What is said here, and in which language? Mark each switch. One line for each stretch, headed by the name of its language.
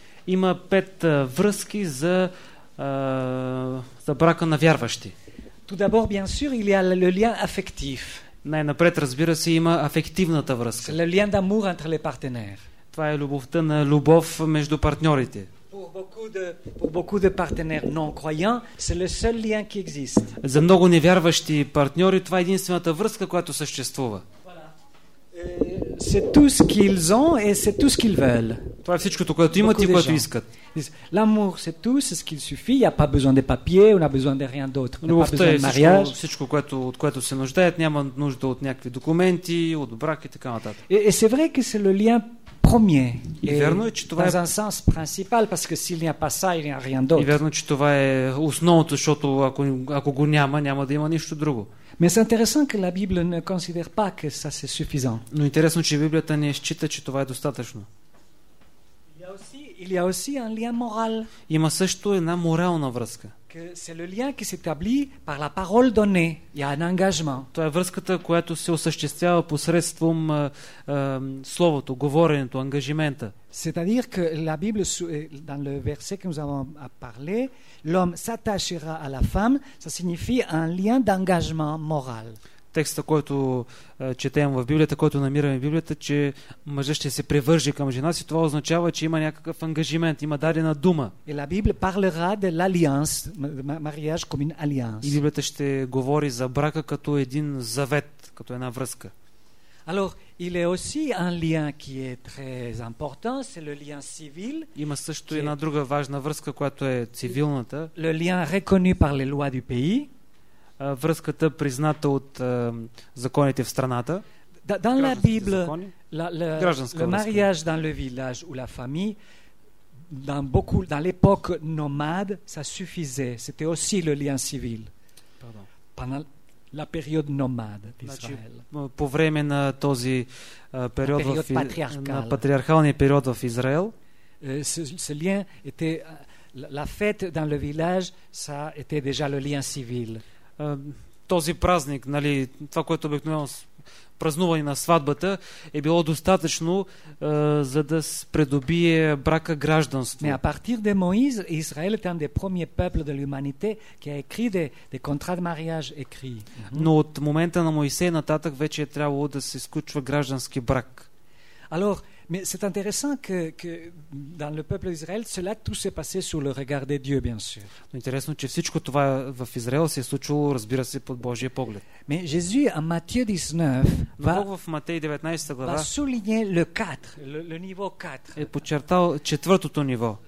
Bulgarian: Има пет връзки за за брака на вярващи.
French: Tout d'abord, bien sûr, il y a le lien affectif.
Bulgarian: Най-напред, разбира се, има афективната връзка.
French: Le lien d'amour entre les partenaires.
Bulgarian: Това е любовта на любов между партньорите.
French: Pour beaucoup de partenaires non croyants, c'est le seul lien qui existe.
Bulgarian: За много невярващи партньори това е единствената връзка, която съществува.
French: C'est tout ce qu'ils ont et c'est tout ce qu'ils veulent.
Bulgarian: Това е всичкото, което имат и което искат.
French: L'amour c'est tout, c'est ce qu'il suffit, il y a pas besoin de papiers, on a besoin de rien d'autre.
Bulgarian: Не трябва мариаж. Всичко, което от което се нуждаят, няма нужда от някакви документи, от брак и така нататък.
French: Et c'est vrai que c'est le lien premier.
Bulgarian: Верно е, че това е
French: dans un sens principal parce que s'il n'y a pas ça, il n'y a rien d'autre.
Bulgarian: Верно е, че това е основното, защото ако го няма, няма да има нищо друго.
French: Mais c'est intéressant que la Bible ne considère pas que ça c'est suffisant.
Bulgarian: Но интересно, че Библията не счита, че това е достатъчно.
French: Il y a aussi un lien moral.
Bulgarian: Има също една морална връзка.
French: Que c'est le lien qui s'établit par la parole donnée. Il y a un engagement.
Bulgarian: Това е връзката, която се осъществява посредством словото, говоренето, ангажимента.
French: C'est-à-dire que la Bible dans le verset que nous avons à parler, l'homme s'attachera à la femme, ça signifie un lien d'engagement moral.
Bulgarian: Текста, който четем в Библията, който намираме в Библията, че мъжът ще се привържи към жена си, това означава, че има някакъв ангажимент, има дадена дума. И
French: la Bible parlera de l'alliance, mariage comme une alliance.
Bulgarian: И Библията ще говори за брака като един завет, като една връзка.
French: Alors, il est aussi un lien qui est très important, c'est le lien civil.
Bulgarian: Има също една друга важна връзка, която е цивилната.
French: Le lien reconnu par les lois du pays.
Bulgarian: Връзката призната от законите в страната.
French: Dans la Bible, le mariage dans le village ou la famille, dans beaucoup, dans l'époque nomade, ça suffisait. C'était aussi le lien civil. Pendant la période nomade d'Israël.
Bulgarian: По време на този период на патриархалния период в Израел,
French: ce lien était la fête dans le village, ça était déjà le lien civil.
Bulgarian: Този празник, нали, това, което обикновено празнуване на сватбата, е било достатъчно, за да придобие брака гражданство.
French: Mais à partir de Moïse, Israël est un des premiers peuples de l'humanité qui a écrit des contrats de mariage écrits.
Bulgarian: Но от момента на Моисей нататък вече е трябвало да се сключва граждански брак.
French: Alors, mais c'est intéressant que dans le peuple d'Israël, cela tout s'est passé sous le regard de Dieu, bien sûr.
Bulgarian: Интересно, че всичко това в Израел се е случило, разбира се, под Божия поглед.
French: Mais Jésus en Matthieu 19
Bulgarian: в Матей 19 глава
French: va souligner le 4, le niveau 4.
Bulgarian: Е подчертал четвъртото ниво.